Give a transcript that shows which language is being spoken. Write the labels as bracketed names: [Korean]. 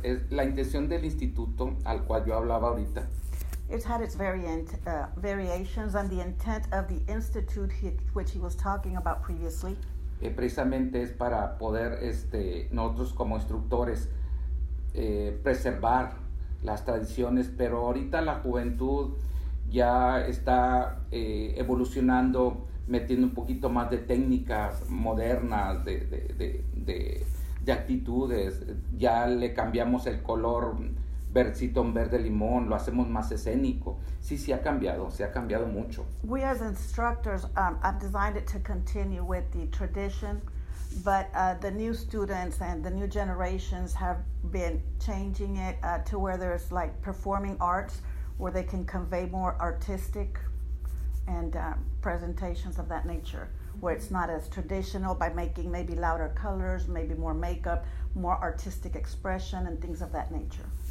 [Spanish] Es la intención del instituto al cual yo hablaba ahorita. [English] It's had its variations and the intent of the institute which he was talking about previously. [Spanish] Precisamente es para poder nosotros como instructores preservar las tradiciones, pero ahorita la juventud ya está evolucionando, metiendo un poquito más de técnicas modernas, de actitudes. Ya le cambiamos el color verdecito en verde limón, lo hacemos más escénico. Sí, sí ha cambiado, se ha cambiado mucho. [English] We as instructors, I've designed it to continue with the tradition, but the new students and the new generations have been changing it to where there's like performing arts, where they can convey more artistic and presentations of that nature, where it's not as traditional by making maybe louder colors, maybe more makeup, more artistic expression and things of that nature.